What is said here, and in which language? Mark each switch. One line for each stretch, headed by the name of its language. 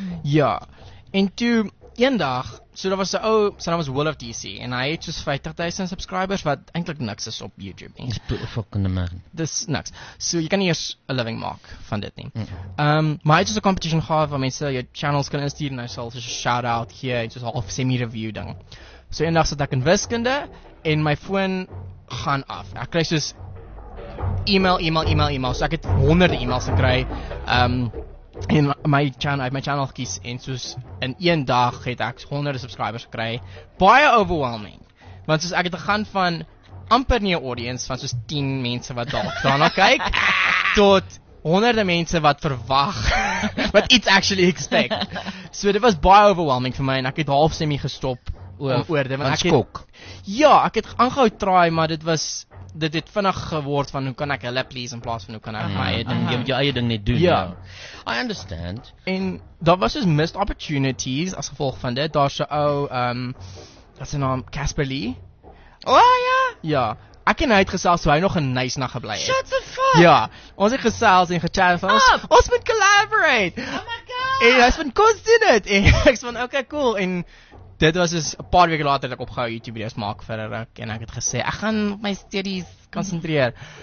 Afrikaans: Ja, en toe, eendag, so daar was so ou, sy naam was Will of DC, en hy het soos 50,000 subscribers, wat eintlik niks is op YouTube nie. Dis fucking amazing. Dis niks. So jy kan nie eers a living maak van dit nie. Maar hy het soos 'n competition gehad, waar mense jou channels kan instuur, en hy sal soos 'n shout-out hier, en soos half semi-review ding. So eendag sit ek in wiskunde, en my foon gaan af. Ek kry soos email, so ek het honderde emails gekry, en my channel gekies, en soos in een dag het ek honderde subscribers gekry, baie overwhelming, want soos ek het gegaan van amper nie 'n audience, van soos 10 mense wat daarna kyk, tot honderde mense wat verwag, wat iets actually expect, so dit was baie overwhelming vir my, en ek het half semi gestop, ek het aangehou try, maar dit het vinnig geword van hoe kan ek hulle please in plaas van hoe kan ek my eie ding net doen.
English: Yeah. I understand.
Afrikaans: En daar was dus missed opportunities as gevolg van dit. Daar's 'n ou wat se naam Casper Lee. Oh ja. Ja. Ek en hy het gesels, so hy nog 'n nice nag gebly het.
English: Shut the fuck.
Afrikaans: Ja. Ons het gesels en gechat van ons moet collaborate.
English: Oh my god.
Afrikaans: En hy's van kos doen dit. En ek's van okay, cool. En dit was dus 'n paar weke later dat ek opgehou YouTube video's maak vir 'n ruk, en ek het gesê, ek gaan my studies konsentreer.